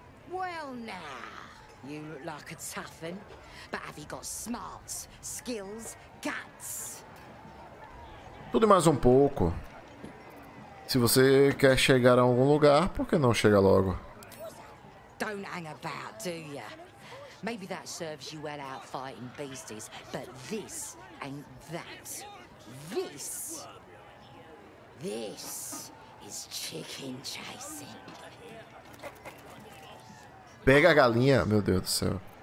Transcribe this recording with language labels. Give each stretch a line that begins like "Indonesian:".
English: Well now, you look like a tough one, but have you got smarts, skills, guts?
Portuguese: Tudo mais um pouco. Se você quer chegar a algum lugar, por que não chegar logo?
English: Don't hang about, do ya? Maybe that serves you well out fighting beasties, but this ain't that. This is chicken chasing.
Portuguese: Pega a galinha, meu Deus do céu.